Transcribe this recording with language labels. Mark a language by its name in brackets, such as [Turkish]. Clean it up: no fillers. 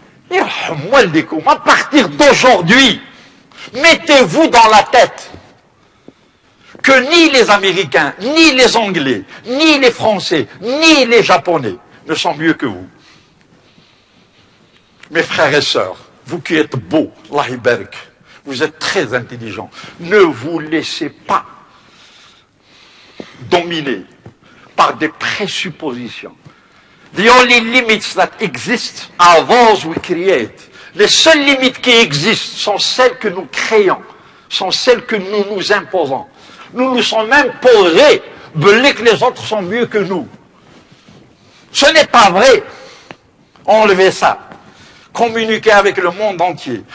[French] Et moi, le découvre. À partir d'aujourd'hui, mettez-vous dans la tête que ni les Américains, ni les Anglais, ni les Français, ni les Japonais ne sont mieux que vous. Mes frères et sœurs, vous qui êtes beaux, l'Aïberg, vous êtes très intelligents. Ne vous laissez pas dominer par des présuppositions. [English] The only limits that exist are those we create. [French] Les seules limites qui existent sont celles que nous créons, sont celles que nous nous imposons. Nous nous sommes imposés, belés que les autres sont mieux que nous. Ce n'est pas vrai. Enlevez ça. Communiquez avec le monde entier.